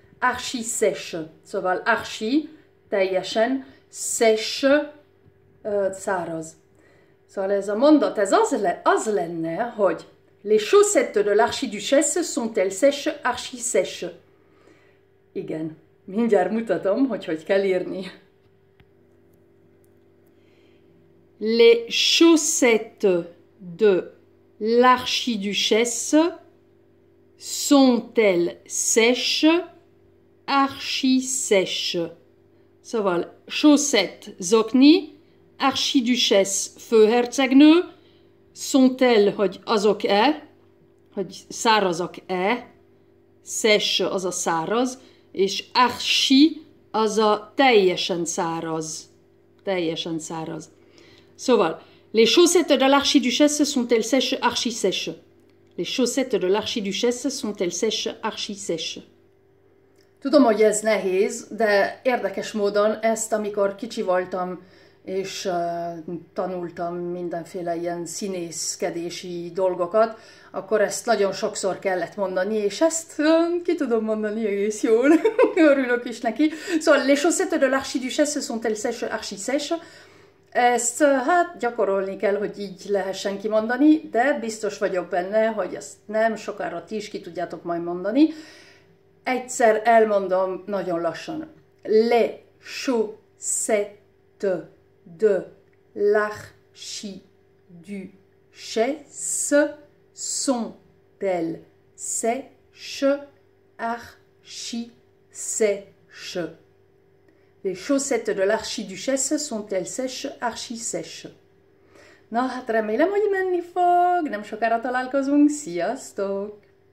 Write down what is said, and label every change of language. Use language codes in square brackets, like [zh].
[fr] Archi sèche, [hu] szóval [fr] archi, [hu] teljesen, [fr] sèche, [hu] száraz. Szóval ez a mondat, ez az lenne, hogy [fr] les chaussettes de l'archiduchesse sont-elles sèches, archi sèche. [hu] Igen, mindjárt mutatom, hogy hogy kell írni. [fr] Les chaussettes de l'archiduchesse sont-elles sèches, archi sèches? [hu] Szóval, chaussettes, zokni, archiduchesse, főhercegnő, sont-elles, hogy azok-e, hogy szárazak-e, sèches, az a száraz, és archi, az a teljesen száraz. Teljesen száraz. Szóval, [fr] les chaussettes de l'archiduchesse sont-elles sèches, archi sèches? Les chaussettes de l'archiduchesse sont-elles sèches, archi sèches? [hu] Tudom, hogy ez nehéz, de érdekes módon ezt, amikor kicsi voltam, és tanultam mindenféle ilyen színészkedési dolgokat, akkor ezt nagyon sokszor kellett mondani, és ezt ki tudom mondani egész jól. Örülök is neki. Szóval, [fr] les chaussettes de l'archiduchesse sont-elles sèches, archi sèches? [hu] Ezt hát gyakorolni kell, hogy így lehessen kimondani, de biztos vagyok benne, hogy ezt nem sokára ti is ki tudjátok majd mondani. Egyszer elmondom nagyon lassan. [fr] Les chaussettes de l'archiduchesse sont-elles sèches, archi sèches. Les chaussettes de l'archiduchesse sont-elles sèches, archi sèches. [hu] Na, hát remélem, hogy menni fog. Nem sokára találkozunk. Sziasztok!